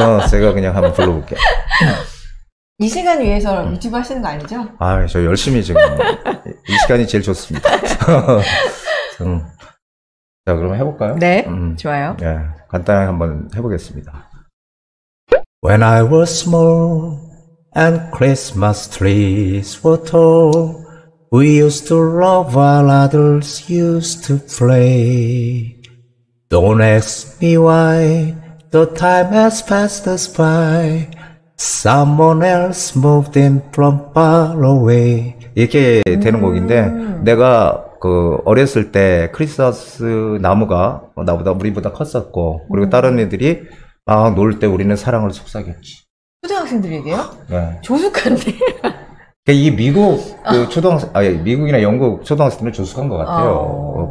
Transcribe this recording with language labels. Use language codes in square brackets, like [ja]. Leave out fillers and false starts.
[ko] 제가 그냥 한번 불러볼게요. 이 시간 위해서 유튜브 하시는 거 아니죠? 아, 저 열심히 지금 이 시간이 제일 좋습니다. 자, 그럼 해볼까요? 네, 좋아요. 네, 간단하게 한번 해보겠습니다. [en] When I was small and Christmas trees were tall, we used to love while others used to play. Don't ask me why the time has passed us by. Someone else moved in from far away. [ko] 이렇게 되는 곡인데 내가 그 어렸을 때 크리스마스 나무가 나보다 우리보다 컸었고 그리고 다른 애들이 막 놀 때 우리는 사랑을 속삭였지. 초등학생들에게요? 네. 조숙한데. 그러니까 이 미국 그 미국이나 영국 초등학생들은 조숙한 것 같아요.